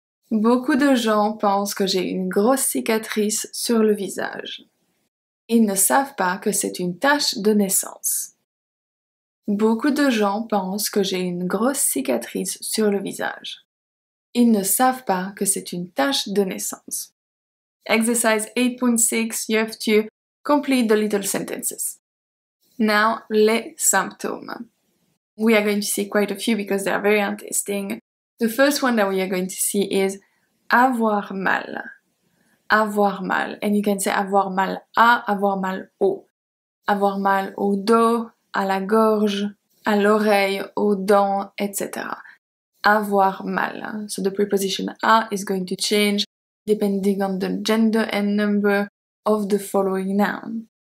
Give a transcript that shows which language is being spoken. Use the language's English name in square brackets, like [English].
[French] Beaucoup de gens pensent que j'ai une grosse cicatrice sur le visage. Ils ne savent pas que c'est une tache de naissance. Beaucoup de gens pensent que j'ai une grosse cicatrice sur le visage. Ils ne savent pas que c'est une tache de naissance. [English] Exercise 8.6, you have to complete the little sentences. Now, les symptômes. We are going to see quite a few because they are very interesting. The first one that we are going to see is avoir mal. [French] Avoir mal. [English] And you can say [French] avoir mal à, avoir mal au. Avoir mal au dos, à la gorge, à l'oreille, aux dents, etc. Avoir mal. [English] So the preposition à is going to change depending on the gender and number of the following noun.